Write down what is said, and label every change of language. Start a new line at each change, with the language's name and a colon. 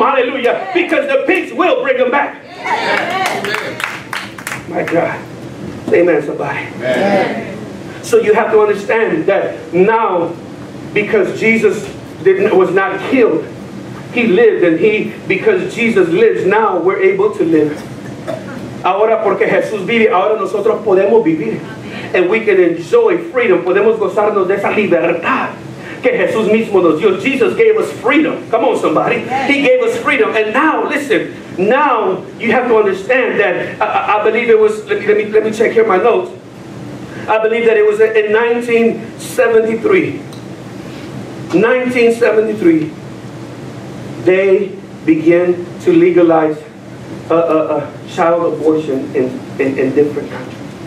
English: Hallelujah. Yeah. Because the pigs will bring them back. Amen. My God. Say amen, somebody. Amen. So you have to understand that now, because Jesus was not killed, he lived, and because Jesus lives, now we're able to live.
Spanish: Ahora porque Jesús vive, ahora nosotros podemos vivir.
English: And we can enjoy freedom.
Spanish: Podemos gozarnos de esa libertad que Jesús mismo nos dio.
English: Jesus gave us freedom. Come on, somebody. Yes. He gave us freedom. And now, listen, now you have to understand that I believe it was, let me check here my notes. I believe that it was in 1973, they began to legalize child abortion in different countries.